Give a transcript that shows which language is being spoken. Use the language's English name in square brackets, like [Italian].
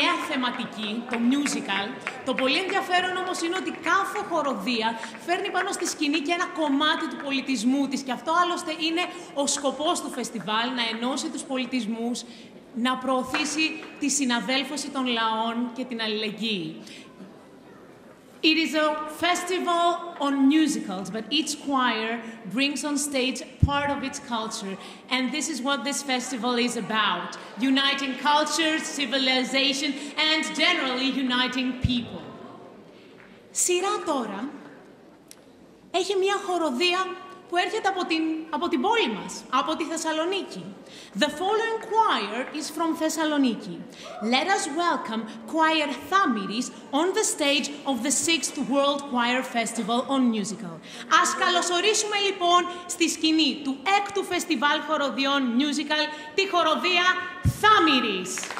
[Greek] θεματική, το musical. Το πολύ ενδιαφέρον όμως είναι ότι κάθε χοροδία φέρνει πάνω στη σκηνή και ένα κομμάτι του πολιτισμού της. Και αυτό άλλωστε είναι ο σκοπός του φεστιβάλ, να ενώσει τους πολιτισμούς, να προωθήσει τη συναδέλφωση των λαών και την αλληλεγγύη. [English] It is a festival on musicals, but each choir brings on stage part of its culture. And this is what this festival is about, uniting cultures, civilization, and generally uniting people. [Greek] Σειρά τώρα έχει μια χοροδία που έρχεται από την πόλη μας, από τη Θεσσαλονίκη. [English] The following choir is from Thessaloniki. Let us welcome Choir Thamiris on the stage of the 6th World Choir Festival on Musical. [Greek] Ας καλωσορίσουμε λοιπόν στη σκηνή του 6ου Φεστιβάλ Χοροδιών Musical τη χοροδία Thamiris.